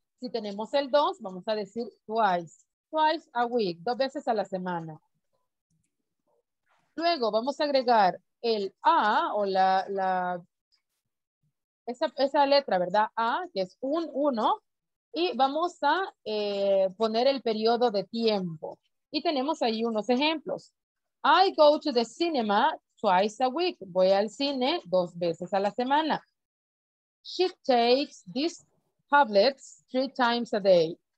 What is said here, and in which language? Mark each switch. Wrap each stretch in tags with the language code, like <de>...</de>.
<es>Si tenemos el dos, vamos a decir twice.</es> <en>Twice a week,</en> <es>dos veces a la semana. Luego vamos a agregar el a o la Esa letra, ¿verdad? A, que es un 1. Y vamos a poner el periodo de tiempo. Y tenemos ahí unos ejemplos.</es> <en>I go to the cinema twice a week.</en> <es>Voy al cine dos veces a la semana.</es> <en>She takes these tablets three times a day.</en>